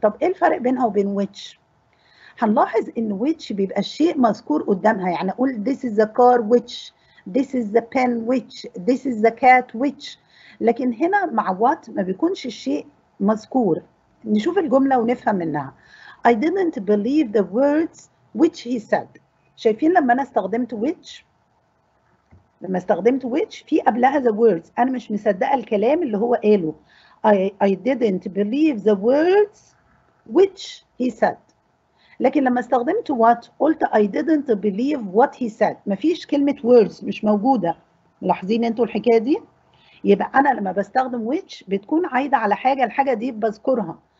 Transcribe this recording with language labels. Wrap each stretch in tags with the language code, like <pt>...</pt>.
<ar>طب ايه الفرق بينها وبين which؟ هنلاحظ إن which بيبقى الشيء مذكور قدامها، يعني أقول</ar> <en>this is the car which، this is the pen which، this is the cat which.</en> <ar>لكن هنا مع what ما بيكونش الشيء مذكور. نشوف الجملة ونفهم منها.</ar> <en>I didn't believe the words which he said.</en> <ar>شايفين لما أنا استخدمت which، لما استخدمت which في قبلها the words، أنا مش مصدقة الكلام اللي هو قاله.</ar> <en>I didn't believe the words which he said.</en> <ar>لكن لما استخدمت what قلت</ar> <en>I didn't believe what he said،</en> <ar>مفيش كلمة words مش موجودة. ملاحظين انتوا الحكاية دي؟ يبقى أنا لما بستخدم which بتكون عايدة على حاجة، الحاجة دي بذكرها.</ar>